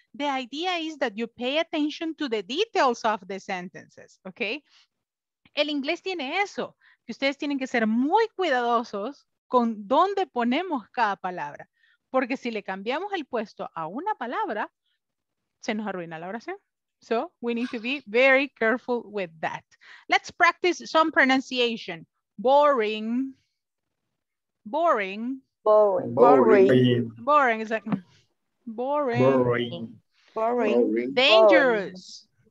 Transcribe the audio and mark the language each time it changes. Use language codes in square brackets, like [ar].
[en] The idea is that you pay attention to the details of the sentences, okay? [es] El inglés tiene eso. Ustedes tienen que ser muy cuidadosos con dónde ponemos cada palabra. Porque si le cambiamos el puesto a una palabra, se nos arruina la oración. [en] So we need to be very careful with that. Let's practice some pronunciation. Boring. Boring. Boring. Boring. Boring. Boring. Dangerous.